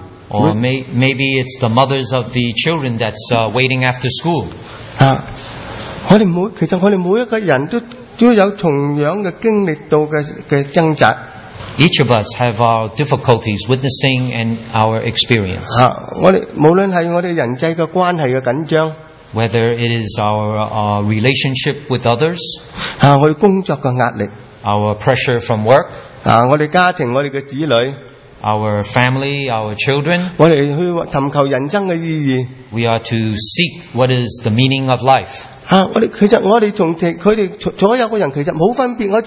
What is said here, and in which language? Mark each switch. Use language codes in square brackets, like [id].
[en] or maybe it's the mothers of the children that's waiting after school. [zh] 啊, 我们每个人都有同样的经历到的挣扎。 [en] Each of us have our difficulties witnessing and our experience. [zh] 啊, 无论是我们人际的关系的紧张, [en] whether it is our relationship with others, [zh] 啊, 我们工作的压力, [en] our pressure from work, [zh] 啊, 我们家庭, 我们的子女, [en] our family, our children, [zh] 我们去寻求人生的意义, [en] we are to seek what is the meaning of life. [zh] 啊, 我们其实我们和他们所有的人其实没有分别,